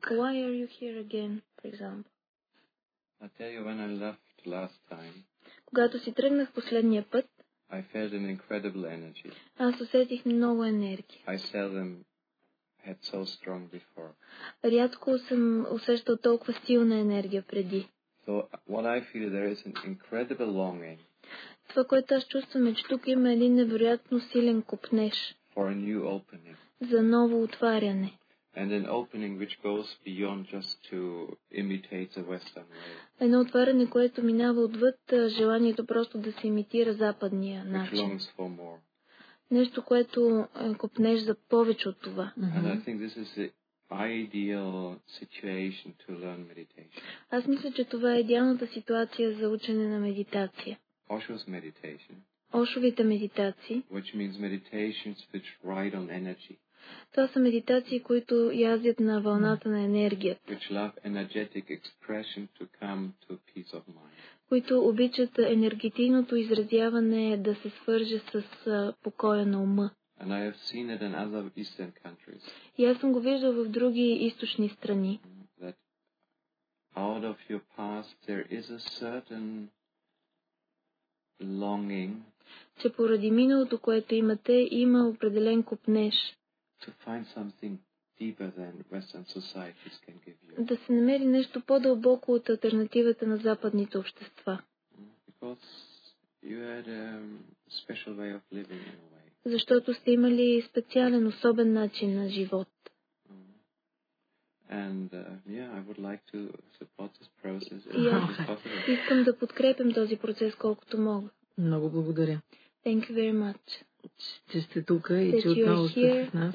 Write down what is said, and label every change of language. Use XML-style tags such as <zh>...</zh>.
<en>Why are you here again, for example? I'll tell you when I left last time.</en> <bg>Когато си тръгнах последния път,</bg> <en>I felt an incredible energy.</en> <bg>Аз усетих много енергия.</bg> <en>I seldom had so strong before.</en> <bg>Рядко съм усещал толкова силна енергия преди.</bg> <en>So what I feel there is an incredible longing.</en> <bg>това, което аз чувствам, е, че тук има един невероятно силен копнеж.</bg> <en>For a new opening.</en> <bg>За ново отваряне.</bg> <en>And an opening which goes beyond just to imitate the Western way.</en> <bg>Едно отваряне, което минава отвъд желанието просто да се имитира западния начин.</bg> <en>Which longs for more.</en> <bg>Нещо, което копнеш за повече от това.</bg> <en>And I think this is the ideal situation to learn meditation.</en> <bg>Аз мисля, че това е идеалната ситуация за учене на медитация.</bg> <en>Osho's meditation.</en> <bg>Ошовите медитации.</bg> <en>Which means meditations which ride on energy.</en> <bg>Това са медитации, които яздят на вълната на енергията.</bg> <en>Which love energetic expression to come to peace of mind.</en> <bg>Които обичат енергетичното изразяване да се свърже с покоя на ума.</bg> <en>And I have seen it in other eastern countries.</en> <bg>И аз съм го виждал в други източни страни.</bg> <en>That out of your past there is a certain longing.</en> <bg>Че поради миналото, което имате, има определен копнеж.</bg> <en>To find something deeper than Western societies can give you.</en> <bg>Да се намери нещо по-дълбоко от алтернативата на западните общества.</bg> <en>Because you had a special way of living in a way.</en> <bg>Защото сте имали специален, особен начин на живот.</bg> <en>And yeah, I would like to support this process.</en> <bg>Искам да подкрепям този процес колкото мога. Много благодаря.</bg> <en>Thank you very much.</en> <bg>Че сте тук и че отново сте с нас.</bg>